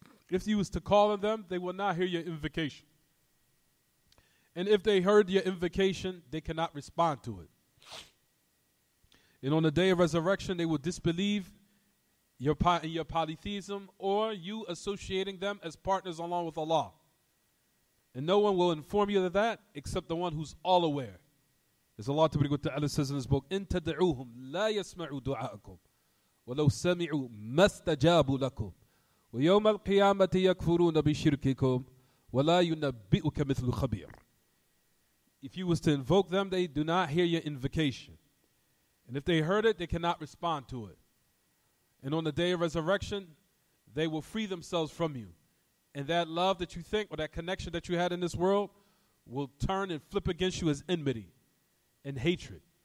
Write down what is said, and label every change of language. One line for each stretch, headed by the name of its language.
English: If you was to call on them, they will not hear your invocation. And if they heard your invocation, they cannot respond to it. And on the day of resurrection, they will disbelieve your polytheism or you associating them as partners along with Allah. And no one will inform you of that except the one who's all aware. As Allah Ta'ala says in his book,
Arabic: إِن تَدْعُوهُمْ لَا يَسْمَعُوا دُعَاءَكُمْ وَلَوْ سَمِعُوا مَا اسْتَجَابُوا لَكُمْ وَيَوْمَ الْقِيَامَةِ يَكْفُرُونَ بِشِرْكِكُمْ وَلَا يُنَبِّئُكَ مِثْلُ خَبِيرٌ.
English: If you was to invoke them, they do not hear your invocation. And if they heard it, they cannot respond to it. And on the day of resurrection, they will free themselves from you. And that love that you think, or that connection that you had in this world, will turn and flip against you as enmity and hatred.